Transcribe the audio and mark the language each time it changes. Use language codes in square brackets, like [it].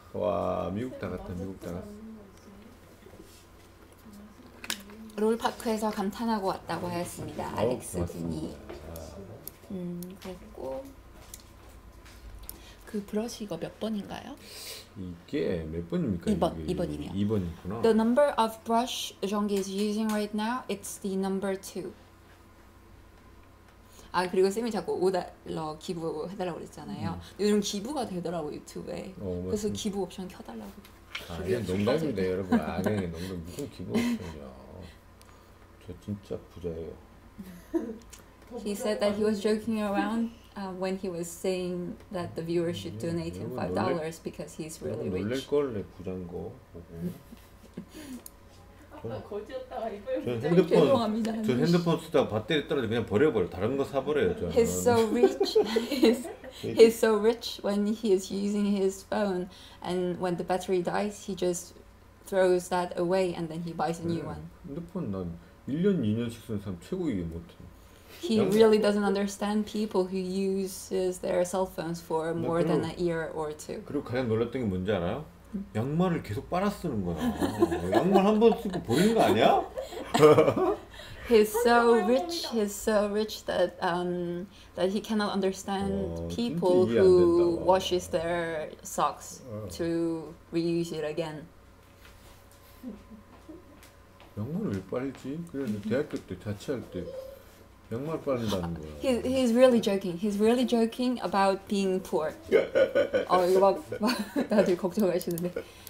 [ko] 와 미국 다 갔다 미국 다 갔다. 롤파크에서 감탄하고 왔다고 하였습니다. 알렉스 분이 그랬고 그 브러시 이거 몇 번인가요? 이게 몇 번입니까? 2번, 이게? 2번이네요. 2번이구나. [en] The number of brush Jeongi is using right now, it's the number 2. [ko] 아 그리고 쌤이 자꾸 5달러 기부해달라고 그랬잖아요. 요즘 기부가 되더라고 유튜브에. 그래서 기부 옵션 켜달라고. 아 이게 농담인데 여러분. 아 이게 농담. 무슨 기부 옵션이야. 저 진짜 부자예요. [en] He said that he was joking around. When he was saying that the viewers should donate him $5 because he's really rich. [ko] 놀랄 걸래 부자인 거 보고. 아까 거지였다가 이번에 핸드폰 저 핸드폰 쓰다가 배터리 떨어져 그냥 버려버려 다른 거 사버려요 저. [en] He's so rich. he's so rich when he is using his phone and when the battery dies, he just throws that away and then he buys a new one. [ko] 핸드폰 난 1년 2년씩 쓰는 사람 최고 이게 못해. [en] He really doesn't understand people who uses their cell phones for more than a year or two. [ko] 그리고 가장 놀랐던 게 뭔지 알아요? 양말을 계속 빨아 쓰는 거야. 양말 한 번 쓰고 버리는 거 아니야? [en] He's so rich. He's so rich that that he cannot understand people who washes their socks to reuse it again. [ko] 양말을 왜 빨지? 그래서 대학교 때 자취할 때. 양말 빨린다는 거야. [en] He's really joking. He's really joking about being poor. [ko] 어, 이거 막, 막 다들 걱정하시는데.